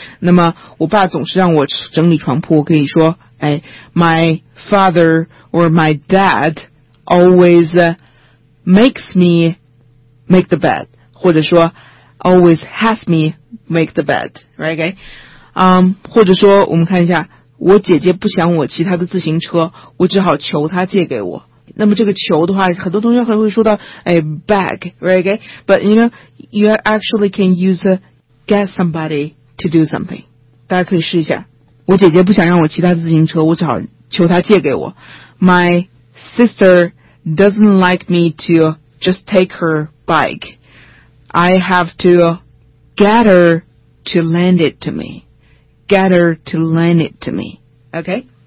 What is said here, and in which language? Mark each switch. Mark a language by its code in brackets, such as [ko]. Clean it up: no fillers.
[zh] 那么我爸总是让我整理床铺，我可以说哎 , [en] my father or my dad always makes me make the bed, [zh] 或者说 [en] always has me make the bed, [zh] right? Okay? 或者说我们看一下，我姐姐不想我骑她的自行车，我只好求她借给我。那么这个求的话，很多同学还会说到哎 beg, right? Okay? [en] But you know, you actually can use get somebody to do something. [zh] 大家可以试一下。我姐姐不想让我骑她的自行车，我只好求她借给我。 [en] My sister doesn't like me to just take her bike. I have to get her to lend it to me. Get her to lend it to me. Okay?